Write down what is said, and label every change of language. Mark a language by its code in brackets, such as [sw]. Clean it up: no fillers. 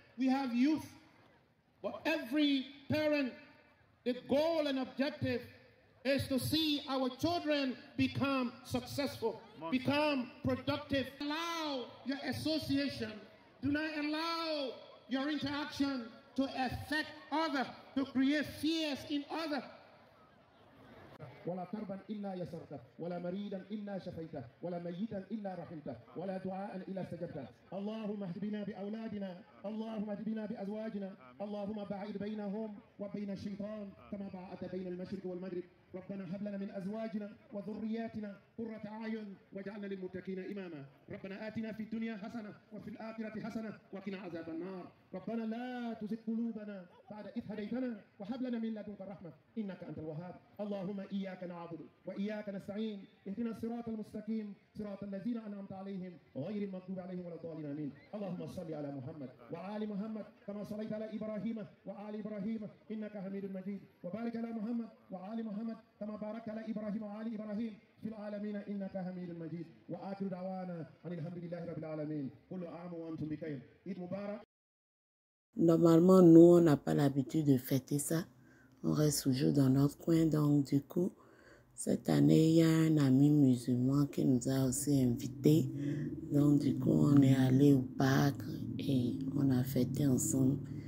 [en] We have youth, but every parent, the goal and objective is to see our children become successful, become productive. Allow your association, do not allow your interaction to affect others, to create fears in others. [ar] ولا كربا الا يسرت ولا مريدا الا شفيت ولا ميتا الا رحمت ولا دعاء الا استجبت اللهم اهد بنا باولادنا اللهم اهد بنا بازواجنا اللهم باعد بينهم وبين الشيطان كما باعدت بين المشرق والمغرب ربنا هب لنا من ازواجنا وذرياتنا قرة اعين واجعلنا للمتقين اماما ربنا اتنا في الدنيا حسنه وفي الاخره حسنه وقنا عذاب النار ربنا لا تزغ قلوبنا بعد اذ هديتنا وهب لنا من لدنك الرحمه انك انت الوهاب اللهم اياك نعبد واياك نستعين اهدنا الصراط المستقيم صراط الذين انعمت عليهم غير المغضوب عليهم ولا الضالين امين اللهم صل على محمد وعلى محمد كما صليت على ابراهيم وعلى ابراهيم انك حميد مجيد وبارك على محمد وعلى محمد كما باركت على ابراهيم وعلى ابراهيم في العالمين انك حميد مجيد واخر دعوانا ان الحمد لله رب العالمين كل عام وانتم بخير عيد مبارك. [fr] Normalement, nous, on n'a pas l'habitude de fêter ça. On reste toujours dans notre coin. Donc, du coup, cette année, il y a un ami musulman qui nous a aussi invités. Donc, du coup, on est allé au parc et on a fêté ensemble.